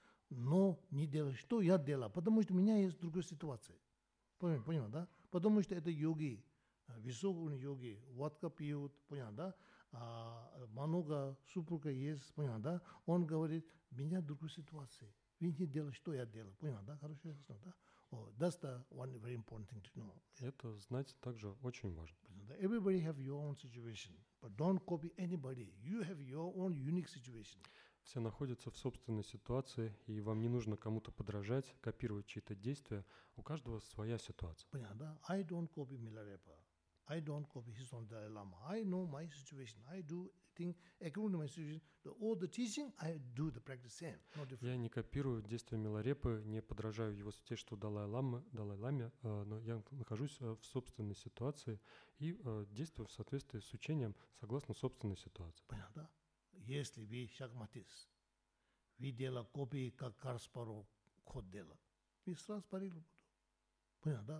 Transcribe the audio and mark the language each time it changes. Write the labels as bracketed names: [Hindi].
[Russian] Но не делай, что я делаю, потому что у меня есть другая ситуация. Понял, да? Потому что это йоги, высокие йоги, водка пьют, понял, да? Много супруга есть, понял, да? Он говорит, у меня другая ситуация. Вы не делаете, что я делаю, понял, да? Хорошо, ясно, да? [English] That's the one very important thing to know. [Russian] Это знать также очень важно. [English] Everybody have your own situation, but don't copy anybody. You have your own unique situation. [Russian] Все находятся в собственной ситуации, и вам не нужно кому-то подражать, копировать чьи-то действия. У каждого своя ситуация. Понятно, да? [English] I don't copy Milarepa. I don't copy his own Dalai Lama. I know my situation. I do think according to my situation, all the teaching, I do the practice same, no different. [Russian] Я не копирую действия Миларепы, не подражаю его святейшеству Далай-Ламе, но я нахожусь в собственной ситуации и действую в соответствии с учением согласно собственной ситуации. Понятно, да? Если вы шахматист, вы делаете копии, как Каспаров ход делал, вы сразу парили буду. Понял, да?